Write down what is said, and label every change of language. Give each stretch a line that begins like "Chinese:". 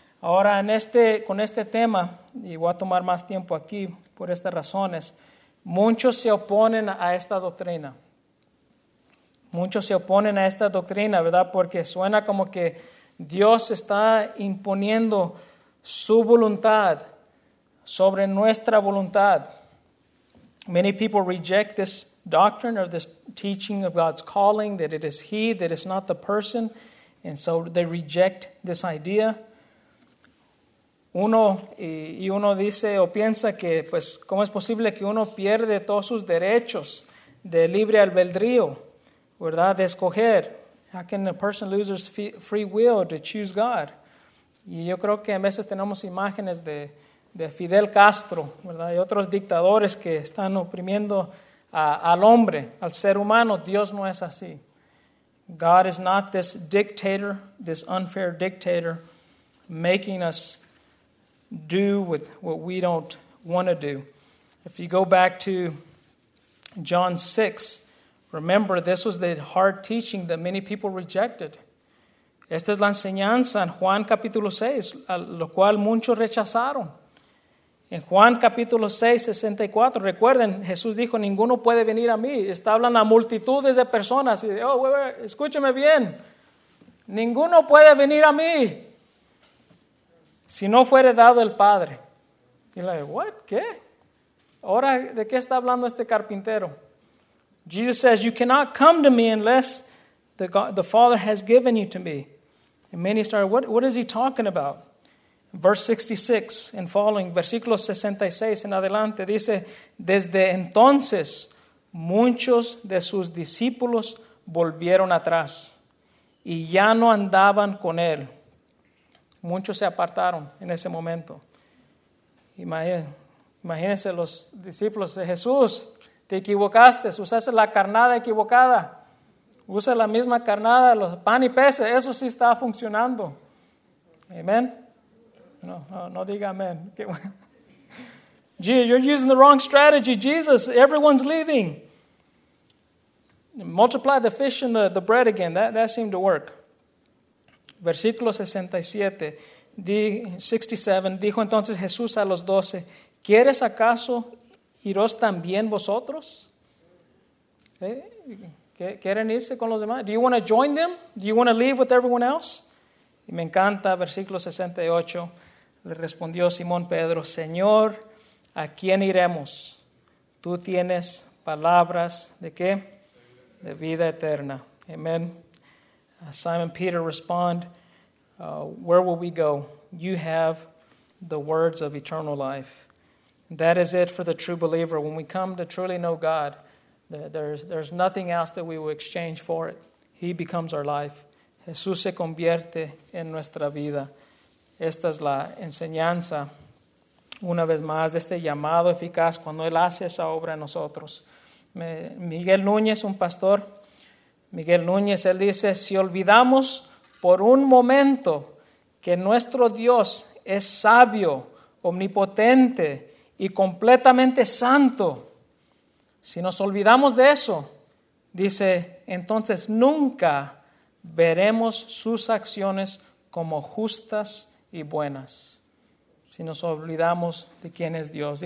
Spanish: Ahora, con este tema, y voy a tomar más tiempo aquí por estas razones, muchos se oponen a esta doctrina. Muchos se oponen a esta doctrina, ¿verdad? Porque suena como que Dios está imponiendo su voluntad sobre nuestra voluntad.
English: Many people reject this doctrine or this teaching of God's calling, that it is he, that it's not the person. And so they reject this idea.
Spanish: Uno dice o piensa que, pues, ¿cómo es posible que uno pierde todos sus derechos de libre albedrío, verdad, de escoger?
English: How can a person lose his free will to choose God?
Spanish: Y yo creo que a veces tenemos imágenes de Fidel Castro, ¿verdad? Y otros dictadores que están oprimiendo al hombre, al ser humano. Dios no es así.
English: God is not this dictator, this unfair dictator, making us do with what we don't want to do. If you go back to John 6, remember, this was the hard teaching that many people rejected.
Spanish: Esta es la enseñanza en Juan capítulo 6, lo cual muchos rechazaron. En Juan capítulo 6, 64, recuerden, Jesús dijo: ninguno puede venir a mí. Está hablando a multitudes de personas. Y dice:
English: oh, wait,
Spanish: escúcheme bien. Ninguno puede venir a mí si no fuere dado el Padre. Y le dice:
English: what?
Spanish: ¿Qué? Ahora, ¿de qué está hablando este carpintero?
English: Jesus says, you cannot come to me unless the Father has given you to me. And many started, what is he talking about? Verse 66 and following,
Spanish: versículo 66 en adelante, dice: desde entonces muchos de sus discípulos volvieron atrás y ya no andaban con él. Muchos se apartaron en ese momento. Imagínense los discípulos de Jesús: te equivocaste, usaste la carnada equivocada. Usa la misma carnada, los pan y peces, eso sí está funcionando. ¿Amén? No diga amén.
English: You're using the wrong strategy, Jesus. Everyone's leaving. Multiply the fish and the bread again. That seemed to work.
Spanish: Versículo 67. Dijo entonces Jesús a los doce, ¿quieres acaso iros también vosotros? ¿Quieren irse con los demás?
English: Do you want to join them? Do you want to leave with everyone else?
Spanish: Y me encanta, versículo 68. Le respondió Simón Pedro, Señor, ¿a quién iremos? Tú tienes palabras, ¿de qué? De vida eterna.
English: Amen. Simon Peter respond, where will we go? You have the words of eternal life. That is it for the true believer. When we come to truly know God, there's nothing else that we will exchange for it. He becomes our life.
Spanish: Jesús se convierte en nuestra vida. Esta es la enseñanza, una vez más, de este llamado eficaz cuando Él hace esa obra en nosotros. Miguel Núñez, un pastor, Miguel Núñez, él dice, si olvidamos por un momento que nuestro Dios es sabio, omnipotente y completamente santo, si nos olvidamos de eso, dice, entonces nunca veremos sus acciones como justas y buenas, si nos olvidamos de quién es Dios.